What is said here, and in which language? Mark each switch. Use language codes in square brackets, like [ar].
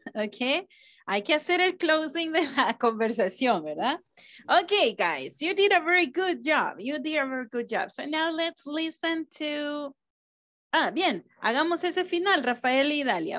[es] Okay, hay que hacer el closing de la conversación, ¿verdad? [en] Okay, guys, you did a very good job. You did a very good job. So now let's listen to... [es] Ah, bien, hagamos ese final, Rafael y Idalia.